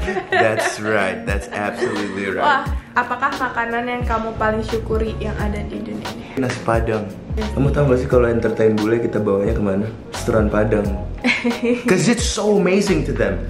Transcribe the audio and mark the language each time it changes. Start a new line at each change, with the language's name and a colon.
English: That's right, that's absolutely right.
Indonesian: Wah, apakah makanan yang kamu paling syukuri yang ada di dunia ini? Nasi Padang. Kamu tahu gak sih kalau entertain bule kita bawanya kemana? Restoran Padang.
English: Because it's so amazing to them.